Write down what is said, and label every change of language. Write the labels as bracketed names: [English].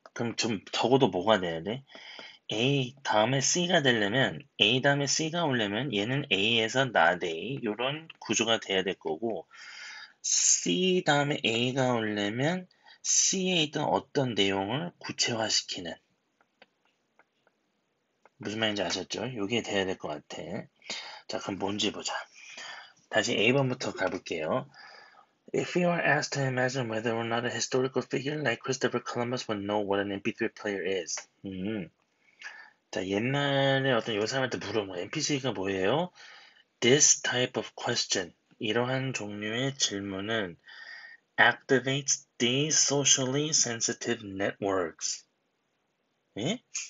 [Korean] 그럼 좀 적어도 뭐가 돼야 돼? A 다음에 C가 되려면, A 다음에 C가 오려면, 얘는 A에서 not A, 요런 구조가 돼야 될 거고, C 다음에 A가 오려면, C에 있던 어떤 내용을 구체화시키는. 무슨 말인지 아셨죠? 요게 돼야 될것 같아. 자, 그럼 뭔지 보자. 다시 A번부터 가볼게요. [English] If you are asked to imagine whether or not a historical figure like Christopher Columbus would know what an MP3 player is. [Korean] 자, 옛날에 어떤 요 사람한테 물어보면 NPC가 뭐예요? [English] This type of question. [Korean] 이러한 종류의 질문은 [English] activates these socially sensitive networks. [Korean] 예?